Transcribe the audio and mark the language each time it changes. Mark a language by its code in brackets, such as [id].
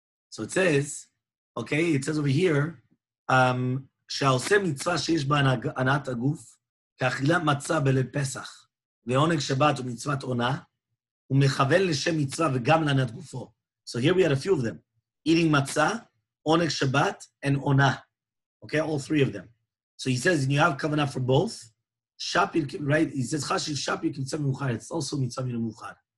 [en] So it says, okay, it says over here, [he] שהעושה מצווה שיש בה ענת הגוף, כאכילה מצה בלב פסח, ועונג שבת ומצוות עונה, ומכוון לשם מצווה וגם לענת גופו. [en] So here we had a few of them. Eating מצה, עונג שבת, and עונה. Okay, all three of them. So he says, and you have covenant for both. שפיר, right? He says, [he] חשיב שפיר כמצווה מאוחר. [en] It's also מצווה מן המאוחר.